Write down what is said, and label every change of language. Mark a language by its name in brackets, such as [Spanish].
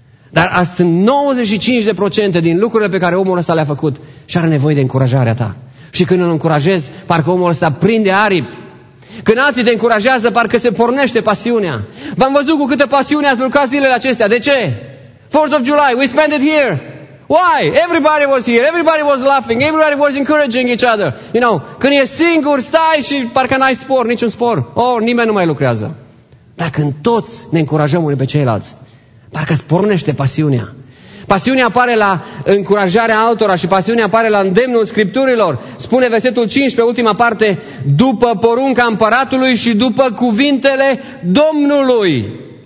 [Romanian] Dar asta sunt 95% din lucrurile pe care omul ăsta le-a făcut și are nevoie de încurajarea ta. Și când îl încurajezi, parcă omul ăsta prinde aripi. Când alții te încurajează, parcă se pornește pasiunea. V-am văzut cu câtă pasiune ați lucrat zilele acestea. De ce? [English] 4th of July, we spent it here. Why? Everybody was here. Everybody was laughing. Everybody was encouraging each other. You know, [Romanian] când e singur, stai și parcă n-ai spor, niciun spor. Oh, nimeni nu mai lucrează. Dar când toți ne încurajăm unii pe ceilalți, parcă se pornește pasiunea. Pasiunea apare la încurajarea altora și pasiunea apare la îndemnul Scripturilor. Spune versetul 15, ultima parte, după porunca împăratului și după cuvintele Domnului.